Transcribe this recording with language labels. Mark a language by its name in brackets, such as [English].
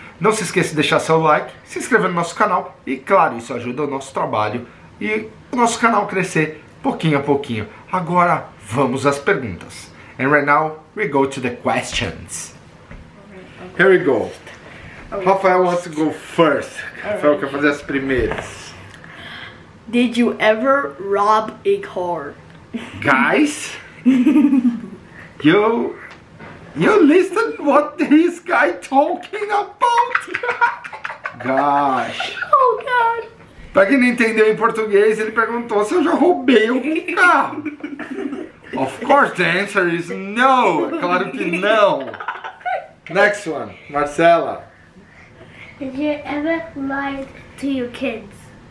[Portuguese] Não se esqueça de deixar seu like, se inscrever no nosso canal e, claro, isso ajuda o nosso trabalho e o nosso canal crescer pouquinho a pouquinho. Agora, vamos às perguntas. [English] And right now, we go to the questions. Okay. Here we go. Rafael wants to go first. [Portuguese] Rafael quer fazer as primeiras. [English] Did you ever rob a car? Guys, you listen what this guy talking about? Gosh. Oh, God. [Portuguese] Pra quem não entendeu em português, ele perguntou se eu já roubei algum carro. [English] Of course, the answer is no. [Portuguese] Claro que não. [English] Next one, Marcela. Did you ever lie to your kids?